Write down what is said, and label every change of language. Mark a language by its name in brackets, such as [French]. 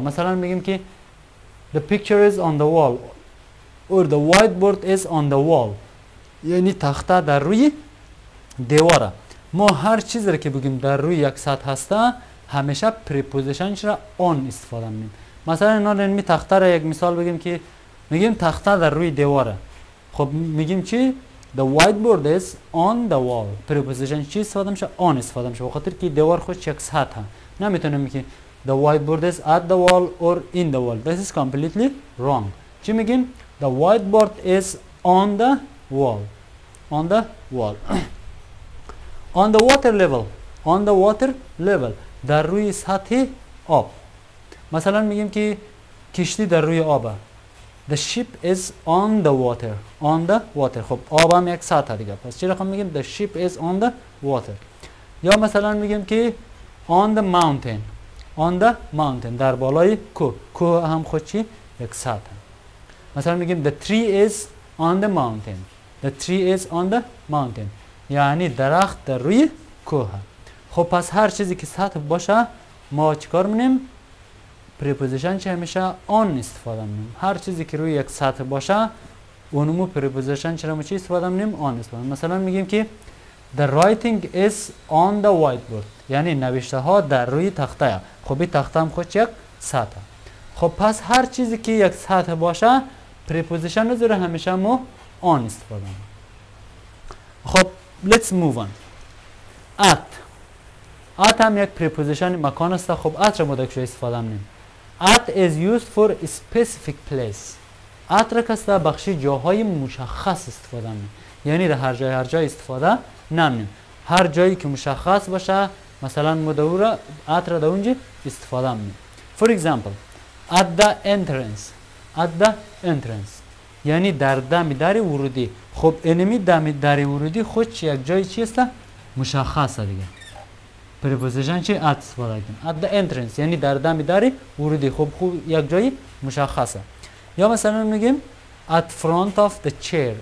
[Persian] مثلا میگیم که [English] the picture is on the wall. Or the whiteboard is on the wall. [Persian] یعنی تخته در روی دیواره. ما هر چیز را که بگیم در روی یک سطح هسته همیشه پریپوزیشنش را آن استفاده میم. مثلا اینا را می تخته را یک مثال بگیم که میگیم تخته در روی دیواره. خب میگیم چی؟ [English] The whiteboard is on the wall. [Persian] پریپوزیشن چی استفاده میشه؟ آن استفاده میشه. بخاطر که دیوار خودش یک سطح هست. نمیتونه میگیم [English] The whiteboard is at the wall or in the wall. This is completely wrong. [Persian] چی میگیم؟ [English] The whiteboard is on the wall. On the wall. On the water level. On the water level. [Persian] در روی سطح آب. مثلا میگیم که کشتی در روی آبه. [English] The ship is on the water. On the water. [Persian] خب آب هم یک سطح دیگه. پس چی رقم میگیم؟ [English] The ship is on the water. [Persian] یا مثلا میگیم که [English] on the mountain. On the mountain. [Persian] در بالای کوه. کوه هم خود چی؟ یک سطح. مثلا میگیم [English] the tree is on the mountain. The tree is on the mountain. [Persian] یعنی درخت در روی کوه. خب پس هر چیزی که سطح باشه ما چیکار می‌کنیم؟ پریپوزیشن چه همیشه آن استفاده می‌کنیم. هر چیزی که روی یک سطح باشه اونمو پریپوزیشن چرا ما چی استفاده می‌کنیم؟ آن استفاده می‌کنیم. مثلا میگیم که [English] the writing is on the whiteboard. [Persian] یعنی نوشته ها در روی تخته. خب این تخته هم خودش یک سطح. خب پس هر چیزی که یک سطح باشه پریپوزیشن رو همیشه ما آن استفاده می‌کنیم. خب [English] let's move on. At. [Persian] At هم یک پریپوزیشن مکان است. خب at را مدک شو استفاده می‌کنیم. [English] At is used for a specific place. [Persian] At را کسته بخشی جاهای مشخص استفاده می‌کنیم. یعنی در هر جای استفاده نمی‌کنیم. هر جایی که مشخص باشه مثلا مدور at را در اونجا استفاده می‌کنیم. [English] For example, at the entrance. At the entrance. [Persian] یعنی در دم در ورودی. خب انمی دم در ورودی خود چی یک جای چی است؟ مشخصه دیگه. پریپوزیشن چی؟ ات استفاده کنیم. [English] at the entrance [Persian] یعنی در دم در ورودی. خوب یک جای مشخصه. یا مثلا میگیم [English] At front of the chair.